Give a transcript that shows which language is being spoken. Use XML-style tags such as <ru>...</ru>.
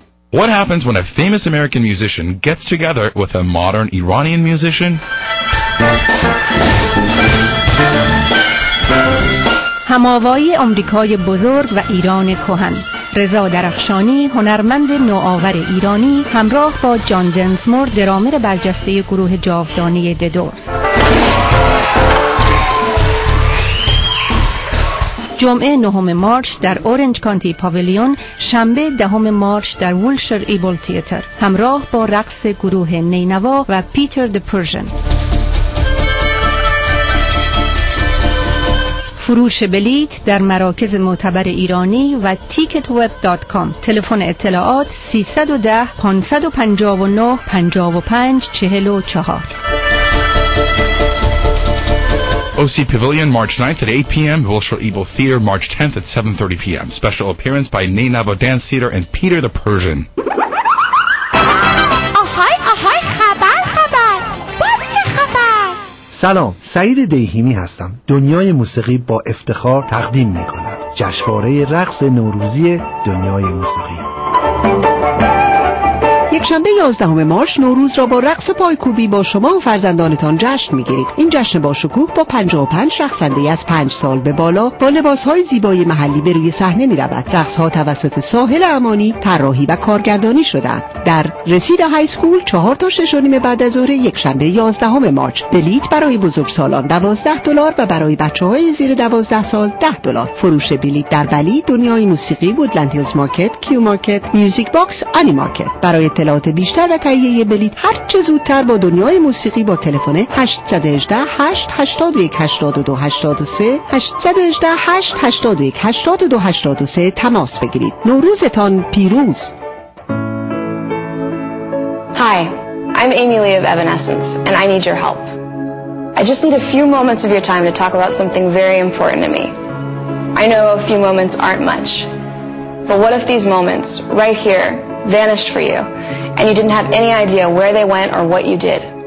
<en>What happens when a famous American musician gets together with a modern Iranian musician?</en> <fa>هم‌آوایی آمریکای بزرگ و ایران کهن. رضا درخشانی، هنرمند نوآور ایرانی، همراه با جان دنسمور، درامر برجسته گروه جاودانه ددورس. جمعه 9 مارچ در اورنج کانتی پاویلیون، شنبه 10 مارچ در وولشر ایبل تیتر، همراه با رقص گروه نینوا و پیتر د پرژن. فروش بلیت در مراکز معتبر ایرانی و ticketweb.com. تلفن اطلاعات 310-559-5544.</fa> <en>OC Pavilion, March 9th at 8 p.m. Wilshire Evil Theater, March 10th at 7:30 p.m. Special appearance by Nainava Dance Theater and Peter the Persian.</en> <fa>آهای آهای خبر خبر باز چه خبر؟ سلام، سعید دهیمی هستم. دنیای موسیقی با افتخار تقدیم میکنم. جشنواره رقص نوروزی دنیای موسیقی. یکشنبه 11 مارس نوروز را با رقص و پایکوبی با شما و فرزندانتان جشن میگیرید. این جشن باشکوه با 55 رقصنده از 5 سال به بالا با لباس‌های زیبای محلی به روی صحنه می‌رود. رقص‌ها توسط ساحل امانی طراحی و کارگردانی شدند. در رسید های اسکول 4 تا 6:30 بعد از ظهر یکشنبه 11 مارس بلیت برای بزرگسالان $12 و برای بچه‌های زیر 12 سال $10. فروش بلیت در ولی دنیای موسیقی وودلند هیلز مارکت، کیو مارکت، میوزیک باکس، آنی مارکت. برای اطلاعات بیشتر و تهیه بلیت هر چه زودتر با دنیای موسیقی با تلفن 818-881-8283 تماس بگیرید. نوروزتان پیروز.</fa> <en>Hi, I'm Amy Lee of Evanescence and I need your help. I just need a few moments of your time to talk about something very important to me. I know a few moments aren't much, but what if these moments, right here, vanished for you and you didn't have any idea where they went or what you did?</en>